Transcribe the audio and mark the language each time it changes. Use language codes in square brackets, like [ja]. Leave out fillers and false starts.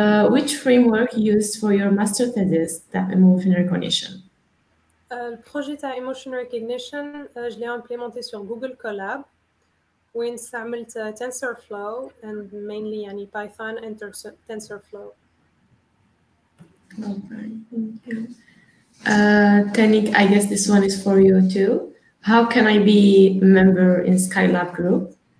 [en] Which framework you used for your master thesis that emotion recognition? [fr] Le projet à Emotion Recognition, je l'ai implémenté sur Google Colab, où on a mis TensorFlow et mainly yani Python et TensorFlow. [en] Okay. Thank you. Tanik, I guess this one is for you too. How can I be a member in Skylab group?